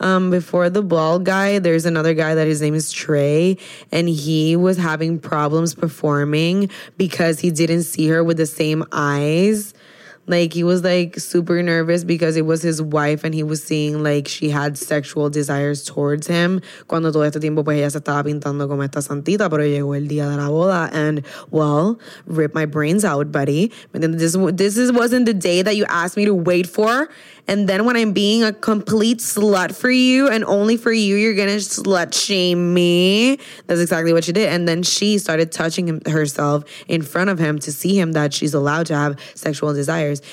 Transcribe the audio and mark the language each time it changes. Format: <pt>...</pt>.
<en>Before the bald guy, there's another guy that his name is Trey, and he was having problems performing because he didn't see her with the same eyes. Like, he was, like, super nervous because it was his wife and he was seeing, like, she had sexual desires towards him.</en> <es>Cuando todo este tiempo, pues, ella se estaba pintando como esta santita, pero llegó el día de la boda.</es> <en>And, well, rip my brains out, buddy. But then this wasn't the day that you asked me to wait for. And then when I'm being a complete slut for you and only for you, you're going to slut shame me. That's exactly what she did. And then she started touching herself in front of him to see him that she's allowed to have sexual desires.</en>